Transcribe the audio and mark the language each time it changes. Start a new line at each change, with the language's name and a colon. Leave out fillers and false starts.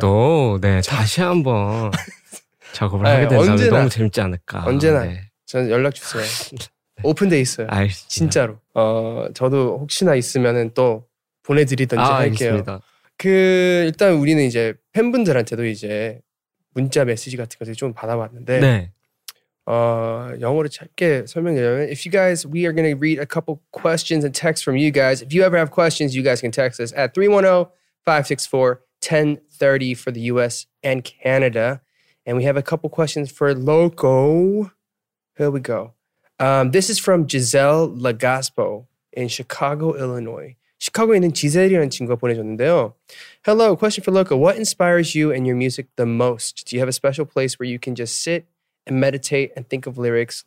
Korean: 또 네, 다시 한번 작업을 하게 된다면 너무 재밌지 않을까? 언제나. 네. 전 연락 주세요. 오픈돼 있어요. 알겠습니다. 진짜로. 저도 혹시나 있으면은 또 보내드리든지 할게요. 알겠습니다. 그 일단 우리는 이제 팬분들한테도 이제 문자 메시지 같은 것들 좀 받아봤는데, 네. 영어로 짧게 설명드리면,
English: if you guys, we are gonna read a couple questions and texts from you guys. If you ever have questions, you guys can text us at 310-564-1030 for the U.S. and Canada. And we have a couple questions for Loco. Here we go. This is from Giselle Legaspo in Chicago, Illinois.
Korean: Chicago에 있는 지젤이라는 친구가 보내줬는데요.
English: Hello, question for Loco. What inspires you and your music the most? Do you have a special place where you can just sit and meditate and think of lyrics?